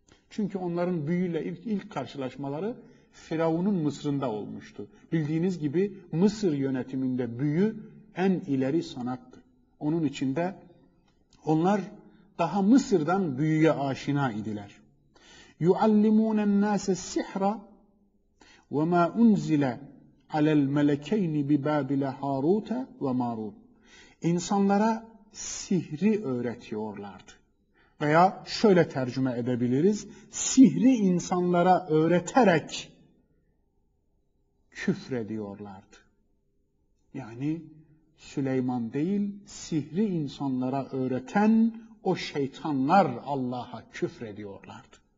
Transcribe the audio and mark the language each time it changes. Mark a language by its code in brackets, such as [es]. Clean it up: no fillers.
[tr] Çünkü onların büyüyle ilk karşılaşmaları Firavun'un Mısır'ında olmuştu. Bildiğiniz gibi Mısır yönetiminde büyü en ileri sanattı. Onun için de onlar daha Mısır'dan büyüye aşina idiler. [ar] يُعَلِّمُونَ النَّاسَ السِّحْرَ وَمَا أُنْزِلَ عَلَى الْمَلَكَيْنِ بِبَابِلَ هَارُوتَ وَمَارُوتَ [tr] İnsanlara sihri öğretiyorlardı. Veya şöyle tercüme edebiliriz. Sihri insanlara öğreterek küfrediyorlardı. Yani Süleyman değil, sihri insanlara öğreten o şeytanlar Allah'a küfrediyorlardı.